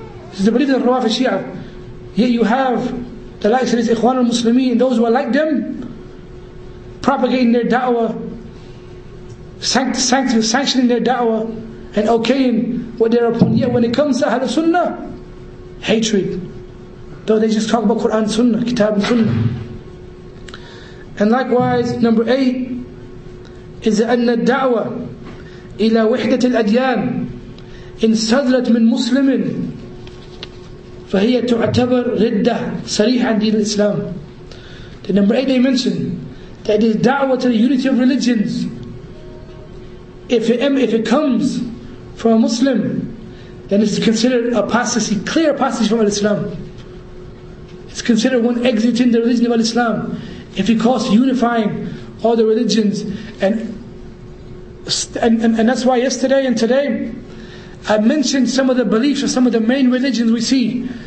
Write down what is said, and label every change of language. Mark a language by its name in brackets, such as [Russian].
[English] This is the belief of the Rawafid Shia. Yet you have the likes of his Ikhwan al-Muslimin, those who are like them, propagating their da'wah, sanctioning their da'wah, and okaying what they're upon. Yet when it comes to Ahlul Sunnah, hatred. Though they just talk about Quran Sunnah, Kitab and Sunnah. And likewise, number 8 is the [Arabic] أن الدعوة إلى وحدة الأديان إن صدرت من مسلم فهي تعتبر ردة صريحة عن دين الإسلام. [English] The number 8 they mentioned, that is da'wah to the unity of religions. If it comes from a Muslim, then it's considered apostasy, clear apostasy from Islam. It's considered one exiting the religion of Islam. If it calls unifying all the religions, and that's why yesterday and today, I mentioned some of the beliefs of some of the main religions we see.